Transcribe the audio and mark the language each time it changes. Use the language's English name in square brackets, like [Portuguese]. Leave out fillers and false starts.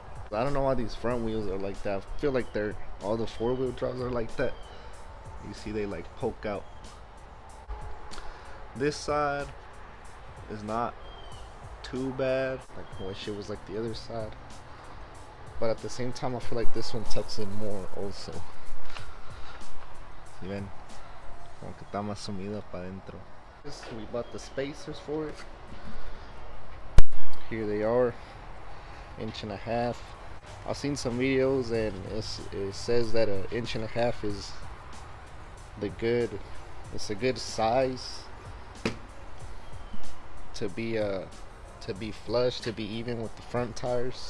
[English] I don't know why these front wheels are like that. I feel like they're all the four wheel drives are like that. You see, they like poke out. This side is not too bad. Like, I wish it was like the other side, but at the same time, I feel like this one tucks in more. Also, you [Spanish] ven, como que está más sumido para adentro. [English] We bought the spacers for it. Here they are, 1.5 inches. I've seen some videos, and it says that 1.5 inches is the good. It's a good size to be flush, to be even with the front tires.